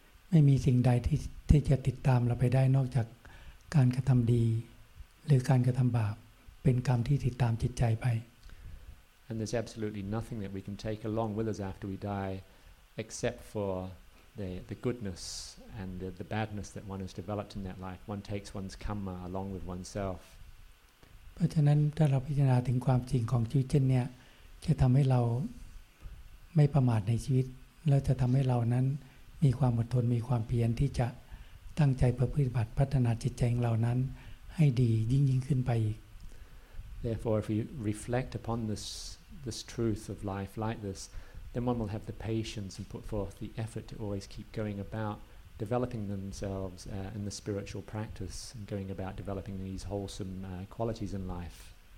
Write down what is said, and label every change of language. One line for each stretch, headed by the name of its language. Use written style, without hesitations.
Thai: ไม่มีสิ่งใดที่จะติดตามเราไปได้นอกจากการกระทำดีหรือการกระทำบาปเป็นกรรมที่ติดตามจิตใจไป
English: And there's absolutely nothing that we can take along with us after we die, except for the goodness and the badness that one has developed in that life. One takes one's karma along with oneself.
Thai: เพราะฉะนั้นถ้าเราพิจารณาถึงความจริงของชีวิตเช่นเนี้ยจะทำให้เราไม่ประมาทในชีวิตแล้วจะทำให้เรานั้นมีความอดทนมีความเพียรที่จะตั้งใจปฏิบัติพัฒนาจิตใจของเรานั้นให้ดียิ่งขึ้นไปอีก
English: Therefore, if we reflect upon this truth of life like this, then one will have the patience and put forth the effort to always keep going about developing themselves in the spiritual practice and going about developing these wholesome qualities in life.